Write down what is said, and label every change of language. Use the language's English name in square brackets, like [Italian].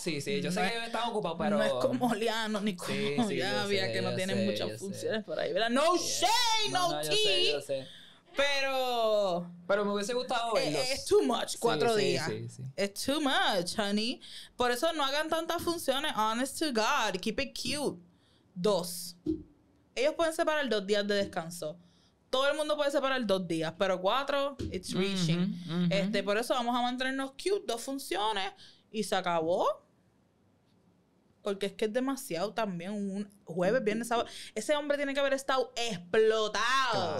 [Spanish] Sí, yo no sé es, que ellos están ocupados, pero... No es como Liano ni como Gavia, que no tienen muchas funciones por ahí, ¿verdad? [English] ¡No shame! [Spanish] ¡No, yo sé! Pero me hubiese gustado verlos. [English] Es too much, [Spanish] cuatro días. Sí. [English] It's too much, honey. [Spanish] Por eso no hagan tantas funciones. [English] Honest to God, keep it cute. [Spanish] Dos. Ellos pueden separar 2 días de descanso. Todo el mundo puede separar 2 días, pero 4, [English] it's reaching. [Spanish] Uh-huh, uh-huh. Por eso vamos a mantenernos cute, 2 funciones. Y se acabó. Porque es que es demasiado también un jueves, viernes, sábado. Ese hombre tiene que haber estado explotado.